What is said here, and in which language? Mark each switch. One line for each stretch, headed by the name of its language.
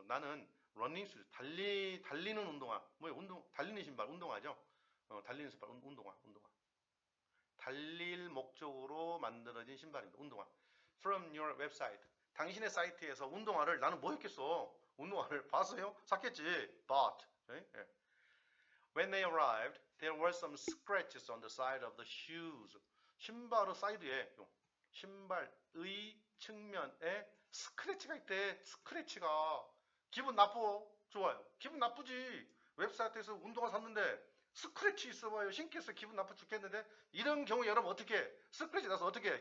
Korean: 나는
English: running shoes.
Korean: 달리는 운동화. 뭐야, 운동, 달리는 신발, 운동화죠? 달리는 신발, 운동화. 달릴 목적으로 만들어진 신발입니다. 운동화.
English: From your website.
Korean: 당신의 사이트에서 운동화를 나는 뭐 했겠어? 운동화를 봤어요? 샀겠지.
English: Bought. When they arrived, there were some scratches on the side of the shoes.
Korean: 신발의 사이드에, 신발의 측면에 스크래치가 있대. 스크래치가. 기분 나빠. 좋아요. 기분 나쁘지. 웹사이트에서 운동화 샀는데. 스크래치 있어봐요. 신기했어. 기분 나빠 죽겠는데. 이런 경우 여러분 어떻게 해? 스크래치 나서 어떻게 해?